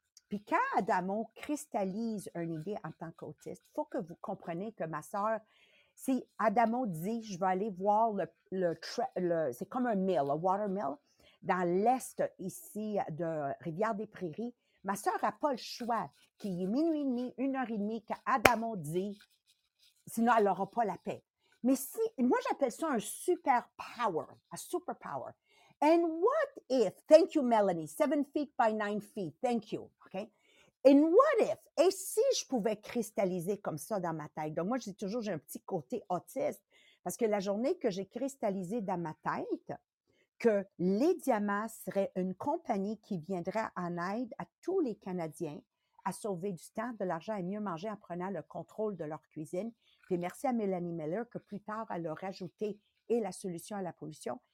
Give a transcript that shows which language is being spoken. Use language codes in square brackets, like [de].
[fr] Puis quand Adamo cristallise une idée en tant qu'autiste, il faut que vous compreniez que ma sœur, si Adamo dit, je vais aller voir le c'est comme un mill, un water mill, dans l'est ici de Rivière-des-Prairies, ma sœur n'a pas le choix qu'il y ait minuit et demi, une heure et demie, qu'Adamo dit, sinon elle n'aura pas la paix. Mais si, moi j'appelle ça un superpower. [en] And what if, thank you Melanie, 7 feet by 9 feet, thank you, okay? And what if, [fr] et si je pouvais cristalliser comme ça dans ma tête? Donc moi je dis toujours, j'ai un petit côté autiste, parce que la journée que j'ai cristallisé dans ma tête, que les Diamants seraient une compagnie qui viendrait en aide à tous les Canadiens à sauver du temps, de l'argent et mieux manger en prenant le contrôle de leur cuisine, et merci à Mélanie Miller que plus tard, elle a rajouté et la solution à la pollution.